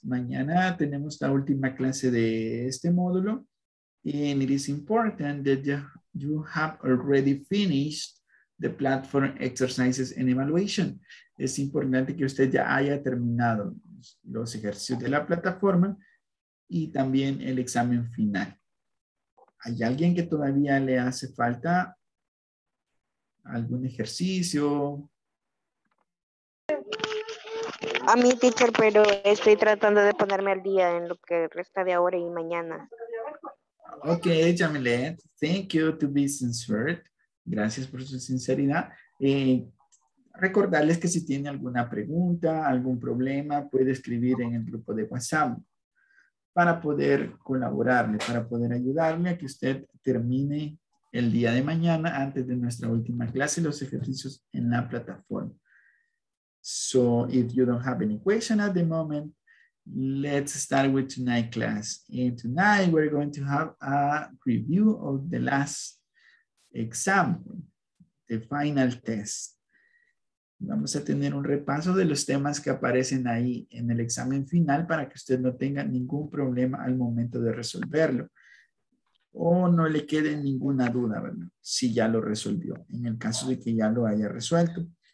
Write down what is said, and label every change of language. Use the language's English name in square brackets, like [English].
[Spanish] Mañana tenemos la última clase de este módulo. [English] And it is important that you have already finished the platform exercises and evaluation. [Spanish] Es importante que usted ya haya terminado los ejercicios de la plataforma y también el examen final. ¿Hay alguien que todavía le hace falta algún ejercicio? A mi teacher, pero estoy tratando de ponerme al día en lo que resta de ahora y mañana. [English] Ok, Jamilet, thank you to be sincere. [Spanish] Gracias por su sinceridad. Recordarles que si tiene alguna pregunta, algún problema, puede escribir en el grupo de WhatsApp para poder colaborarle, para poder ayudarle a que usted termine el día de mañana antes de nuestra última clase los ejercicios en la plataforma. [English] So if you don't have any question at the moment, let's start with tonight class. And tonight we're going to have a review of the last exam, the final test. [Spanish] Vamos a tener un repaso de los temas que aparecen ahí en el examen final para que usted no tenga ningún problema al momento de resolverlo. O no le quede ninguna duda, ¿verdad? Si ya lo resolvió, en el caso de que ya lo haya resuelto.